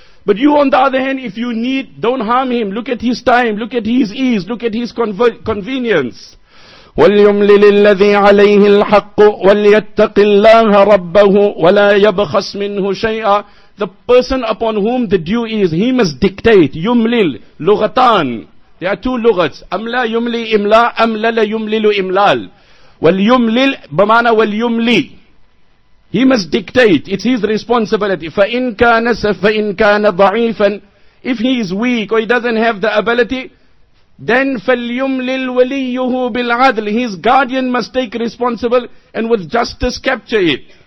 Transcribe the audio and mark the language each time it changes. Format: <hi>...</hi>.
<en>But you, on the other hand, if you need, don't harm him. Look at his time, look at his ease, look at his convenience.</en> <ar>وَلْيُمْلِلِ الَّذِي عَلَيْهِ الْحَقُّ وَلْيَتَّقِ اللَّهَ رَبَّهُ وَلَا يَبْخَسْ مِنْهُ شَيْئًا.</ar> <en>The person upon whom the due is, he must dictate.</en> <ar>يُمْلِل, لُغَتَان.</ar> <en>There are two lugats.</en> <ar>أَمْلَى يُمْلِي إِمْلَى أَمْلَى لَيُمْلِلُ إِمْلَال. وَلْيُمْلِل بَمَعْنَى وَلْيُمْلِي.</ar> <en>He must dictate. It's his responsibility.</en> <ar>فَإِنْ كَانَ سَفَإِنْ كَانَ ضَعِيفًا.</ar> <en>If he is weak or he doesn't have the ability, then</en> <ar>فَلْيُمْلِلْ وَلِيُّهُ بِالْعَدْلِ.</ar> <en>His guardian must take responsible and with justice capture it.</en>